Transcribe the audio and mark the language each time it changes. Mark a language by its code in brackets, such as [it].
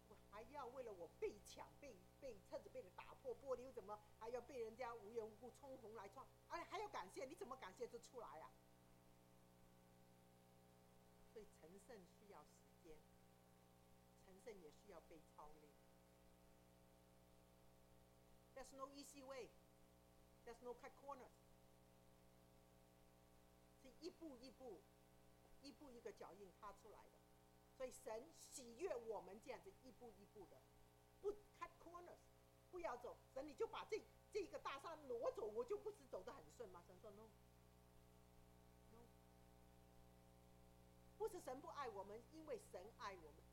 [zh] 还要为了我被抢，被车子被人打破玻璃，又怎么还要被人家无缘无故冲红来撞，哎，还要感谢，你怎么感谢就出来啊？所以成圣需要时间，成圣也需要被操练。 [en] There's no easy way, There's no cut corners, [zh] 是一步一步，一步一个脚印踏出来的。所以神喜悦我们这样子一步一步的，不 [en] cut corners, [zh] 不要走，神你就把这个大山挪走，我就不是走得很顺吗？神说 no, no, 不是神不爱我们，因为神爱我们。